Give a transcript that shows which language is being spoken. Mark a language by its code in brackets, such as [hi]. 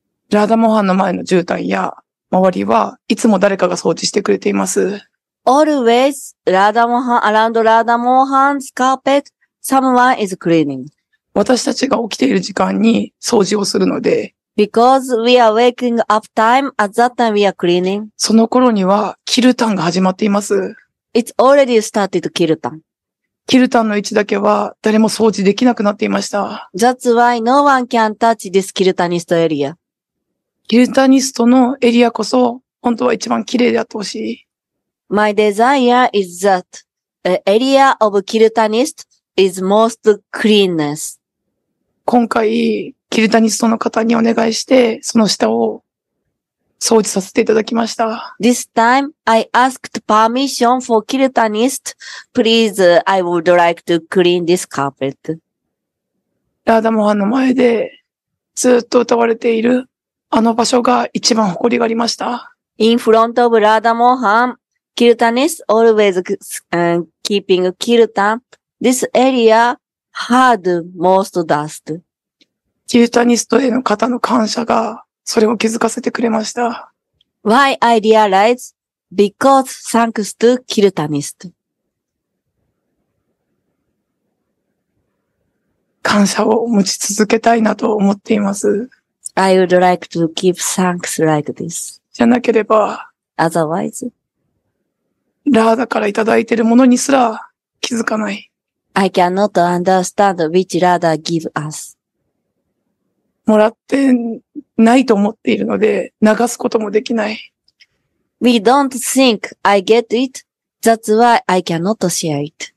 [ja] ラダモハンの前の絨毯や周りはいつも誰かが掃除してくれています。 [en] Always ラダモハン around ラダモハン carpet someone is cleaning. [ja] 私たちが起きている時間に掃除をするので。 [en] Because we are waking up time at that time we are cleaning. [ja] その頃にはキルタンが始まっています。 [en] It's already started kirtan. [ja] Kirtan の位置だけは誰も掃除できなくなっていました。 [en] That's why no one can touch this kirtanist area. [ja] Kirtanist のエリアこそ本当は一番綺麗であってほしい。 [en] My desire is that area of kirtanist is most cleanness. [ja] 今回、kirtanist の方にお願いして、その下を掃除させていただきました。 [en] This time, I asked permission for kirtanist. Please, I would like to clean this carpet. [ja] ラダモハンの前でずっと歌われているあの場所が一番誇りがありました。 [en] In front of ラダモハン、kirtanist always keeping kirtan. This area had most dust. [ja] kirtanist への方の感謝がそれを気づかせてくれました。 [en] Why I realize? Because thanks to kirtanist. [ja] 感謝を持ち続けたいなと思っています。 [en] I would like to keep thanks like this. [ja] じゃなければ、 [en] otherwise, [ja] ラーダからいただいているものにすら気づかない。 [en] I cannot understand which ラーダ give us. [ja] もらってないと思っているので流すこともできない。 [en] We don't think I get it. That's why I cannot share it.